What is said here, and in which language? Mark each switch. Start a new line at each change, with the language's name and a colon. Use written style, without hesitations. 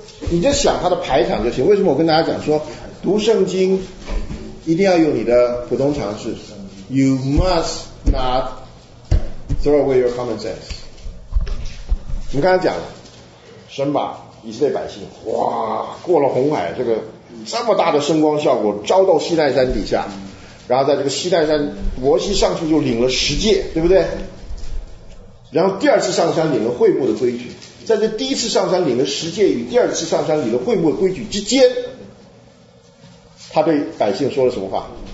Chinese: 你就想他的排场就行。为什么我跟大家讲说读圣经一定要用你的普通常识？
English: You must not throw away your common sense。
Chinese: 我们刚才讲神把以色列百姓哇过了红海，这个这么大的声光效果招到西奈山底下，然后在这个西奈山摩西上去就领了十诫，对不对？然后第二次上山领了会幕的规矩，在这第一次上山领了十诫与第二次上山领了会幕的规矩之间，他对百姓说了什么话？